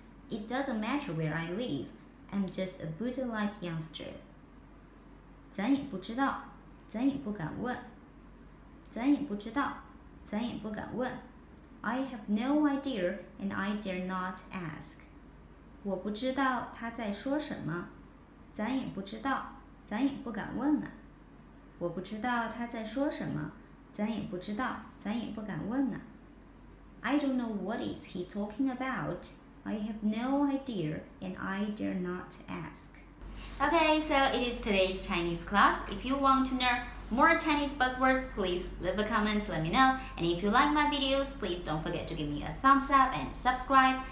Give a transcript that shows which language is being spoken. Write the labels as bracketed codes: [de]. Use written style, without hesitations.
[en] It doesn't matter where I live, I'm just a Buddha-like youngster. [zh] 咱也不知道,咱也不敢问. 咱也不知道，咱也不敢问。 [en] I have no idea and I dare not ask. [zh] 我不知道他在说什么，咱也不知道，咱也不敢问呢。我不知道他在说什么，咱也不知道，咱也不敢问呢。 [en] I don't know what is he talking about. I have no idea and I dare not ask. Okay, so it is today's Chinese class. If you want to learn more Chinese buzzwords, please leave a comment to let me know. And if you like my videos, please don't forget to give me a thumbs up and subscribe.